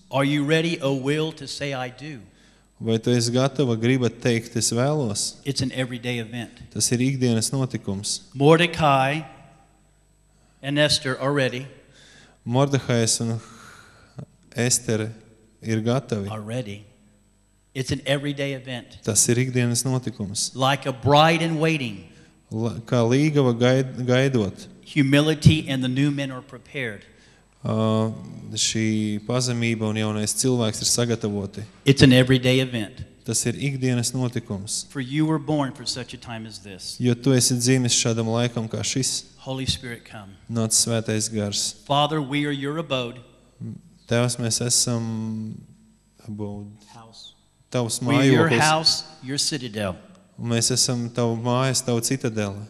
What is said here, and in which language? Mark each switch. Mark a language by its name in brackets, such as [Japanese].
[English] Are you ready, O will, to say I do? [Latvian] Vai tu esi gatava gribat teikt es vēlos? [English] It's an everyday event. [Latvian] Tas ir ikdienas notikums. [English] Mordecai and Esther are ready. [Latvian] Mordehais un Estere ir gatavi. [English] Are ready. It's an everyday event. [Latvian] Tas ir ikdienas notikums. [English] Like a bride in waiting. [Latvian] Kā līgava gaidot. [English] Humility and the new men are prepared. [Latvian] Šī pazemība un jaunais cilvēks ir sagatavoti. [English] It's an everyday event. [Latvian] Tas ir ikdienas notikums. [English] For you were born for such a time as this. [Latvian] Jo tu esi dzimis šādam laikam kā šis. [English] Holy Spirit, come. [Latvian] Nāc Svētais Gars. [English] Father, we are your abode. [Latvian] Tevs mēs esam [English] house. [Latvian] Tavs mājoklis. [English] We are your house, your citadel. [Latvian] Mēs esam tavu mājas, tavu citadeli.